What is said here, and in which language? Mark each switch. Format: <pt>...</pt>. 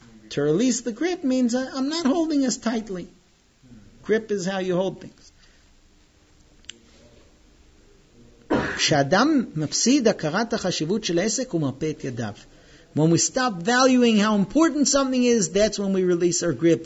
<en>To release the grip means I'm not holding as tightly. Grip is how you hold things.</en> <he>כשאדם מפסיד הכרת החשיבות של העסק, הוא מרפא את ידיו.</he> <en>When we stop valuing how important something is, that's when we release our grip.</en>